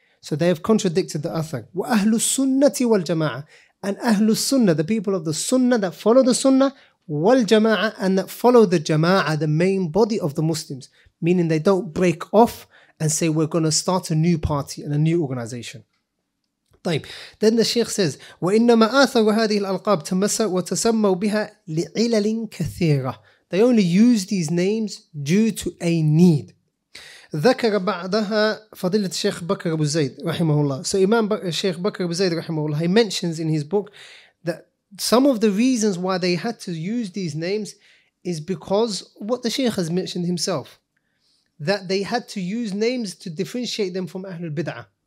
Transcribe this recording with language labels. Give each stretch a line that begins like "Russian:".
English: So they have contradicted the Athar.
Arabic: وأهل السنة والجماعة.
English: And أهل السنة, the people of the Sunnah that follow the Sunnah, والجماعة, and that follow the جماعة, the main body of the Muslims. Meaning they don't break off and say, we're going to start a new party and a new organization.
Arabic: طيب.
English: Then the Sheikh says,
Arabic: وإنما آثر هذه الألقاب تمسوا وتسموا بها لعلل كثيرة.
English: They only use these names due to a need.
Arabic: ذكر بعدها فضيلة الشيخ بكر أبو زيد رحمه الله.
English: So Imam Sheikh Bakr Abu Zayd رحمه الله, he mentions in his book that some of the reasons why they had to use these names is because what the Sheikh has mentioned himself, that they had to use names to differentiate them from Ahlul Bid'ah.